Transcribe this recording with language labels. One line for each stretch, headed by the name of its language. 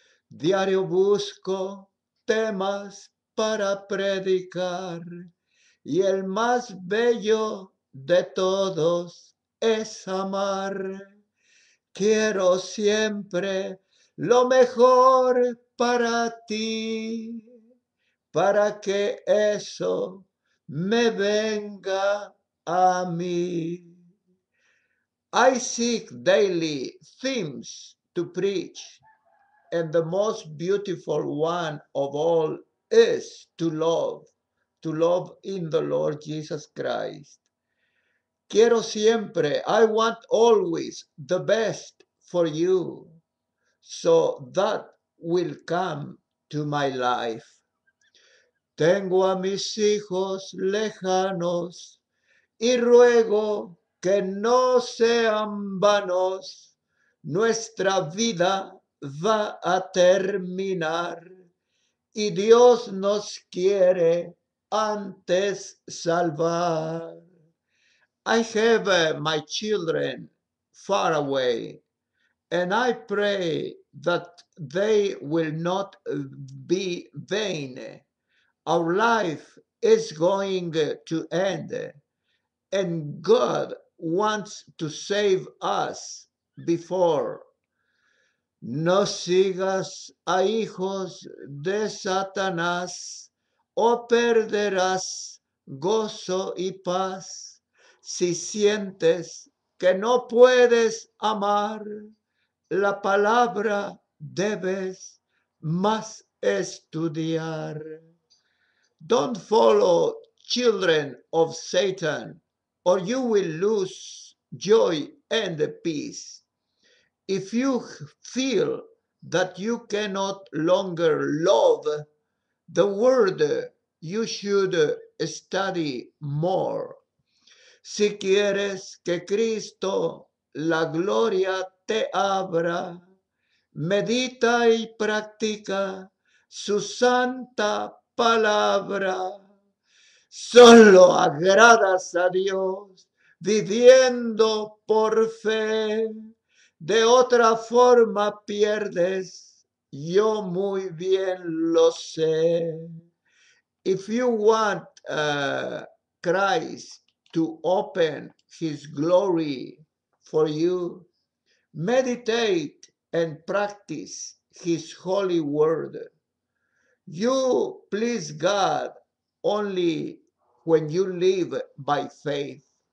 Spanish: Diario busco temas para predicar y el más bello de todos es amar. Quiero siempre lo mejor para ti, para que eso me venga a mí.
English: I seek daily themes to preach, and the most beautiful one of all is to love in the Lord Jesus Christ.
Spanish: Quiero siempre,
English: I want always the best for you, so that will come to my life.
Spanish: Tengo a mis hijos lejanos y ruego que no sean vanos. Nuestra vida va a terminar y Dios nos quiere antes salvar.
English: I have my children far away, and I pray that they will not be vain. Our life is going to end, and God wants to save us before.
Spanish: No sigas a hijos de Satanás o perderás gozo y paz si sientes que no puedes amar. La palabra debes más estudiar.
English: Don't follow children of Satan, or you will lose joy and peace. If you feel that you cannot longer love the word, you should study more.
Spanish: Si quieres que Cristo la gloria te abra, medita y practica su santa palabra. Solo agradas a Dios viviendo por fe. De otra forma pierdes, yo muy bien lo sé.
English: If you want Christ to open his glory for you, meditate and practice his holy word. You please God only when you live by faith.